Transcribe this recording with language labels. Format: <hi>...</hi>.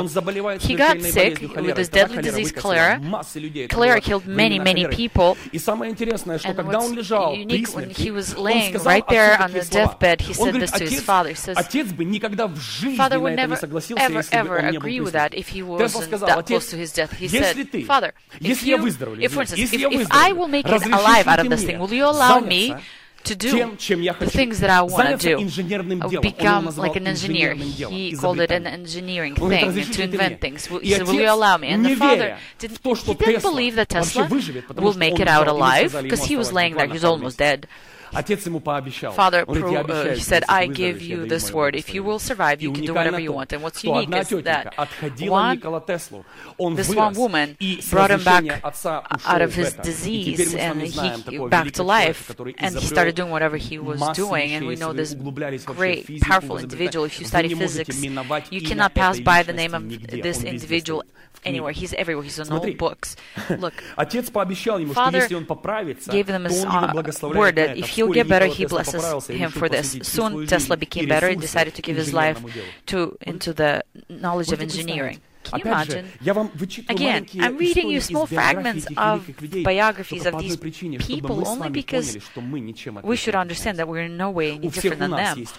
<ru>Он заболевает смертельной болезнью холера. Тогда холера выкосил массы людей. И самое интересное, что когда он лежал при смерти, он сказал отцовские слова. Он говорит, отец бы никогда в жизни на это не согласился, если бы он не был при смерти. Тесла сказал, отец, если ты, если я выздоровел,</ru> <en>if, for instance, if I will make it alive out of this thing, will you allow me to do the things that I want to do? Become like an engineer. He called it an engineering thing, to invent things. He said, will you allow me? And the father, he didn't believe that Tesla will make it out alive, because he was laying there, he's almost dead. Father, he said, I give you this word. If you will survive, you can do whatever you want. And what's unique is that one woman brought him back out of his disease, and he back to life, and he started doing whatever he was doing. And we know this great, powerful individual. If you study physics, you cannot pass by the name of this individual anywhere. He's everywhere. He's in all books. Look,</en> <ru>отец пообещал ему, father что если он поправится,</ru> <en>gave them his word that if he'll get better, he blesses him for this. Soon, Tesla became better and decided to give his life to into the knowledge of engineering. Can you imagine? Again, I'm reading you small fragments of biographies of these people only because we should understand that we're in no way any different than them.</en>